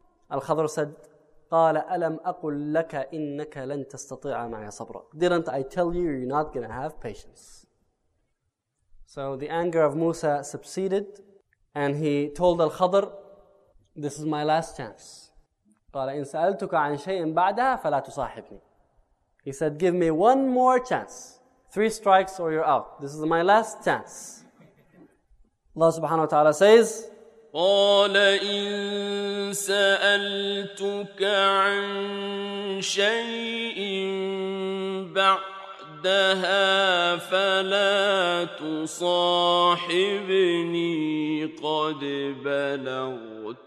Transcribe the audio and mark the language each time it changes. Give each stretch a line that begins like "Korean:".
English: Al-Khadr said,
Arabic: قال ألم أقول لك إنك لن تستطيع معي صبرا.
English: Didn't I tell you you're not going to have patience? So the anger of Musa subsided, and he told Al-Khadr, "This is my last chance."
Arabic: قال إن سألتك عن شيء بعدها فلا تصاحبني.
English: He said, "Give me one more chance. Three strikes or you're out. This is my last chance." Allah subhanahu wa ta'ala says,
Arabic: قال إن سألتك عن شيء بعدها فلا تصاحبني قد بلغ.